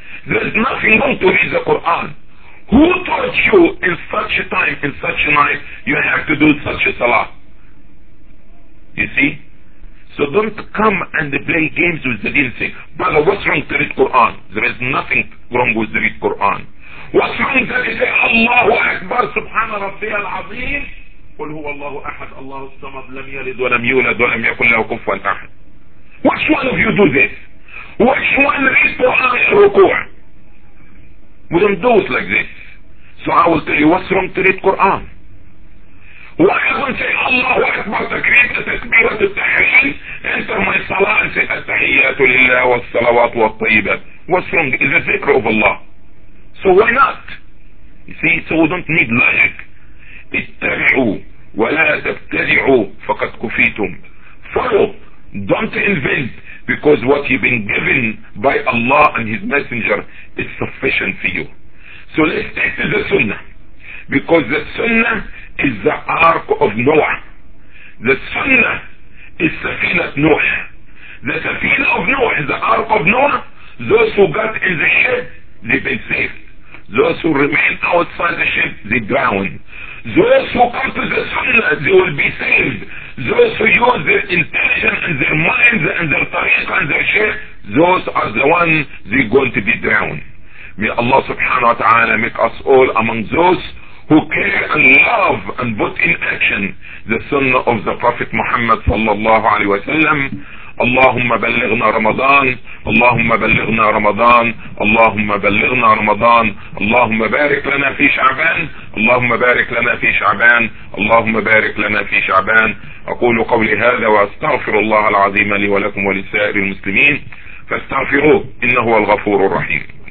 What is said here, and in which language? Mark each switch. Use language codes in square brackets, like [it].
[en] There's nothing wrong to read the Quran. Who taught you in such a time, in such a night, you have to do such a salah? You see? So don't come and play games with the deen and say, brother, what's wrong to read Quran? There is nothing wrong with the read Quran. What's wrong that you say, [ar] Allahu Akbar, Subhanahu Rabbi al-Azim, قل هو الله أحد الله الصمد لم يلد ولم يولد ولم يكن له كفوا أحد. [en] Which one of you do this? Which one read Quran in ruku? We don't do it like this. So I will tell you, what's wrong to read Quran? Why don't say Allah Akbar, takbir, takbir, takbir, enter my salah and say attahiyyatu lillah wa salawatu wa tayyibat. What's wrong? It's a zikr of Allah. So why not? You see, so we don't need logic. [ar] اتبعوا ولا تبتدعوا فقد كفيتم. [en] Follow, don't invent, because what you've been given by Allah and His Messenger is sufficient for you. So let's take to the Sunnah, because the Sunnah is the Ark of Noah. The Sunnah is Safinat Noah. The Safina of Noah is the Ark of Noah. Those who got in the ship, they've been saved. Those who remain outside the ship, they drown. Those who come to the Sunnah, they will be saved. Those who use their intention and their minds and their tariqah and their sheikh, those are the ones they are going to be drowned. May Allah subhanahu wa ta'ala make us all among those who care and love and put in action the Sunnah of the Prophet Muhammad sallallahu alayhi wa sallam. [ar] اللهم بلغنا رمضان اللهم بلغنا رمضان اللهم بلغنا رمضان اللهم بارك لنا في شعبان اللهم بارك لنا في شعبان اللهم بارك لنا في شعبان. أقول قولي هذا وأستغفر الله العظيم لي ولكم ولسائر المسلمين فاستغفروه إنه هو الغفور الرحيم.